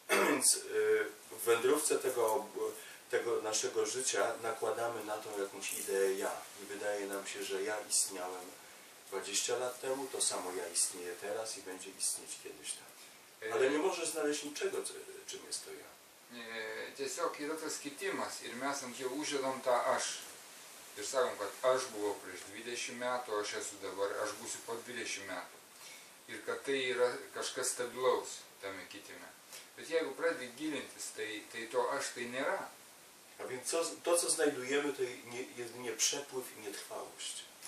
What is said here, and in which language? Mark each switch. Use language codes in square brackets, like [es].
[pl] Więc w wędrówce tego naszego życia nakładamy na to jakąś ideę ja. I wydaje nam się, że ja istniałem 20 lat temu, to samo ja istnieję teraz i będzie istnieć kiedyś tam. Ale nie możesz znaleźć niczego, czym jest to ja. [lt] Tiesiog yra tas kitimas ir mes ant jo užėdom tą aš. Ir sakom, kad aš buvau prieš 20 metų, aš esu dabar, aš būsiu po 20 metų. Ir kad tai yra kažkas stabilaus tame kitime. Bet jeigu pradedi gilintis, tai to aš tai nėra. [pl] A więc to, co znajdujemy, to jedynie przepływ i nietrwałość.